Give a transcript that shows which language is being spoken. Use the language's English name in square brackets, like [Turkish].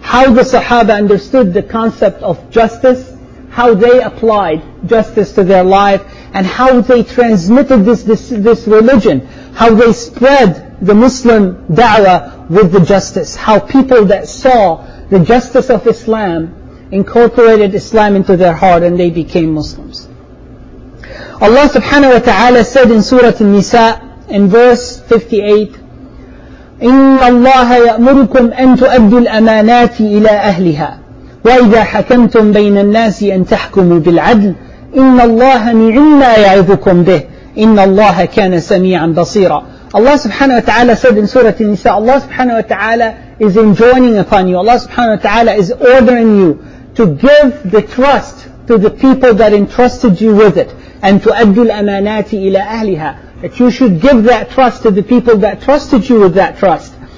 [English] How the Sahaba understood the concept of justice, how they applied justice to their life, and how they transmitted this religion, how they spread the Muslim da'wah with the justice, how people that saw the justice of Islam incorporated Islam into their heart and they became Muslims. Allah subhanahu wa ta'ala said in Surah An-Nisa in verse 58, [Arabic] إِنَّ اللَّهَ يَأْمُرُكُمْ أَن تُؤَدُّوا الْأَمَانَاتِ إِلَىٰ أَهْلِهَا وَإِذَا حَكَمْتُمْ بَيْنَ النَّاسِ أَن تَحْكُمُوا بِالْعَدْلِ إِنَّ اللَّهَ نِعِمَّا يَعِذُكُمْ بِهِ إِنَّ اللَّهَ كَانَ سَمِيعًا بَصِيرًا. [English] Allah subhanahu wa ta'ala said in Surah An-Nisa, Allah subhanahu wa ta'ala is enjoining upon you, Allah subhanahu wa ta'ala is ordering you to give the trust to the people that entrusted you with it, and to [Arabic] أَدُّ الْأَمَانَاتِ إِلَىٰ أَهْلِهَا, [English] that you should give that trust to the people that trusted you with that trust.